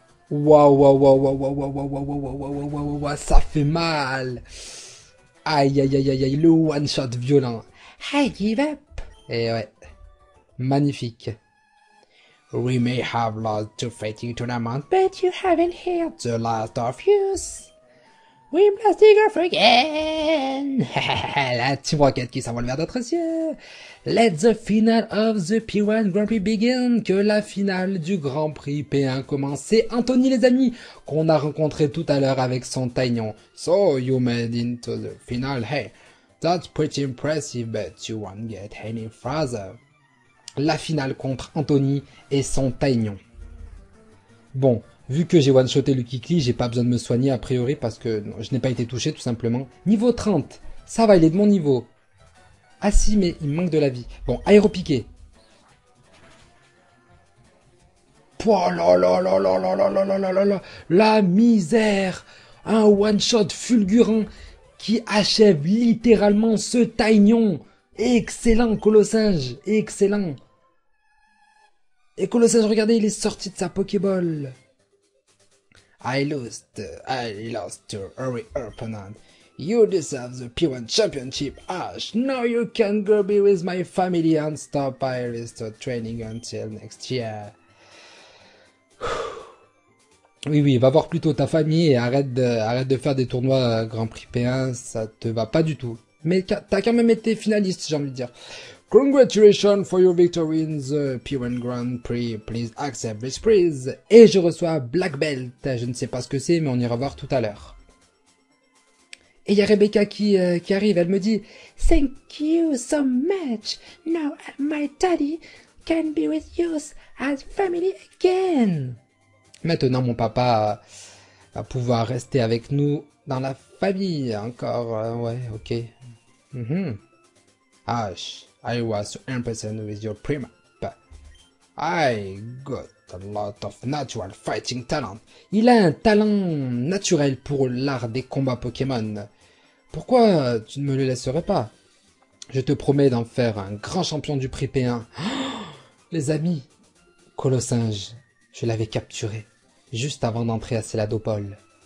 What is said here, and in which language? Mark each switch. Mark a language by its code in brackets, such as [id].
[fr] Waouh, ça fait mal. Aïe, le one shot violent. [en] I give up. [fr] Et ouais, magnifique. [en] We may have lost two fighting tournaments, but you haven't hurt the last of us. We must dig up again. [fr] La Team Rocket qui s'envole vers d'autres yeux. [en] Let the final of the P1 Grand Prix begin. [fr] Que la finale du Grand Prix P1 commence. C'est Anthony, les amis, qu'on a rencontré tout à l'heure avec son Tainion. [en] So you made it into the final. Hey, that's pretty impressive, but you won't get any further. [fr] La finale contre Anthony et son Tainion. Bon, vu que j'ai one-shoté le Kikli, j'ai pas besoin de me soigner a priori parce que non, je n'ai pas été touché tout simplement. Niveau 30, ça va, il est de mon niveau. Ah si, mais il manque de la vie. Bon, aéropiqué. Poilalalalalalalalalala, la misère! Un one-shot fulgurant qui achève littéralement ce Tainion. Excellent, Colossinge! Excellent! Et Colossinge, regardez, il est sorti de sa Pokéball. [en] I lost to every opponent. You deserve the P1 Championship, Ash. Now you can go be with my family and stop Iris training until next year. [fr] Oui, va voir plutôt ta famille et arrête de faire des tournois Grand Prix P1, ça te va pas du tout. Mais t'as quand même été finaliste, j'ai envie de dire. [en] Congratulations for your victory in the P1 Grand Prix. Please accept this prize. [fr] Et je reçois [en] Black Belt. [fr] Je ne sais pas ce que c'est, mais on ira voir tout à l'heure. Et il y a Rebecca qui arrive. Elle me dit: [en] Thank you so much. Now my daddy can be with you as family again. [fr] Maintenant, mon papa va pouvoir rester avec nous dans la famille encore. Ouais, ok. Ash. [en] I was impressed with your prima, I got a lot of natural fighting talent. [fr] Il a un talent naturel pour l'art des combats Pokémon. Pourquoi tu ne me le laisserais pas? Je te promets d'en faire un grand champion du prix P1. Oh, les amis, Colossinge, je l'avais capturé juste avant d'entrer à Céladopol.